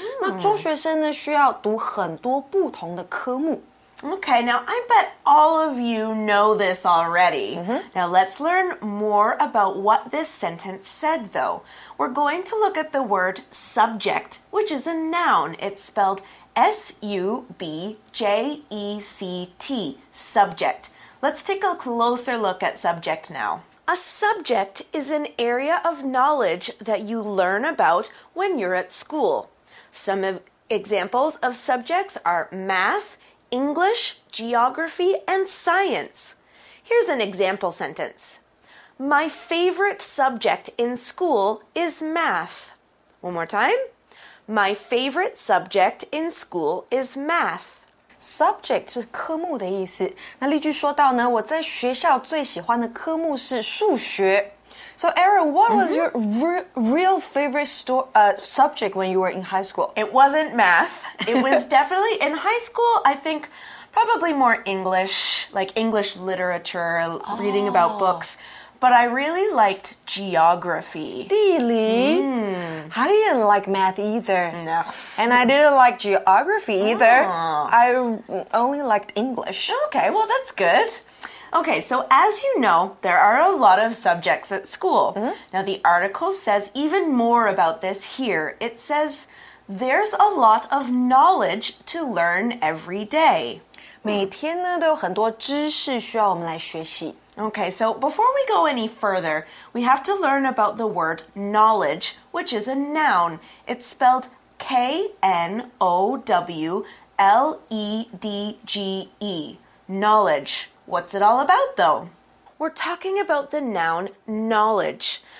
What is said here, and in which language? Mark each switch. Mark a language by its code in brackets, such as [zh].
[zh] 那中学生呢需要读很多不同的科目。 [en] Okay, now I bet all of you know this already. Mm-hmm. Now let's learn more about what this sentence said, though. We're going to look at the word subject, which is a noun. It's spelled S-U-B-J-E-C-T, subject. Let's take a closer look at subject now. A subject is an area of knowledge that you learn about when you're at school. Some of examples of subjects are math,English, geography, and science. Here's an example sentence. My favorite subject in school is math. One more time. My favorite subject in school is math. [zh] Subject 是科目的意思。那例句说到呢，我在学校最喜欢的科目是数学。 [en] So Aaron, what was your real favorite subject when you were in high school? It wasn't math. It was definitely in high school, I think, probably more English, like English literature, reading about books. But I really liked geography. 地理?I didn't like math either. No. And I didn't like geography either. I only liked English. Okay, well that's good. Okay, so as you know, there are a lot of subjects at school. Mm-hmm. Now, the article says even more about this here. It says, there's a lot of knowledge to learn every day. [zh] 每天呢，都有很多知识需要我们来学习。 [en] Okay, so before we go any further, we have to learn about the word knowledge, which is a noun. It's spelled K-N-O-W-L-E-D-G-E, knowledge. What's it all about, though? We're talking about the noun knowledge.